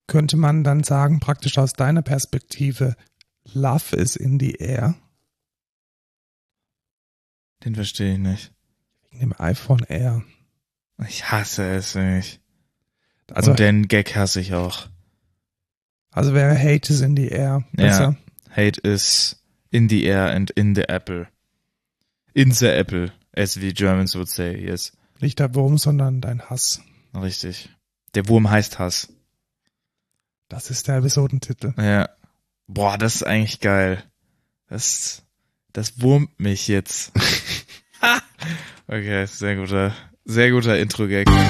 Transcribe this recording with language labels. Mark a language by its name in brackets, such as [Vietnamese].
[German] könnte man dann sagen, praktisch aus deiner Perspektive, [English] Love is in the air? [German] Den verstehe ich nicht. Wegen dem iPhone Air. Ich hasse es nicht. Also, und den Gag hasse ich auch. Also wäre [English] Hate is in the air [German] besser? Ja, [English] Hate is in the air and in the apple. In the apple, as the Germans would say, yes. [German] Nicht der Wurm, sondern dein Hass. Richtig. Der Wurm heißt Hass. Das ist der Episodentitel. Ja. Boah, das ist eigentlich geil. Das wurmt mich jetzt. Okay, sehr guter Intro-Gag.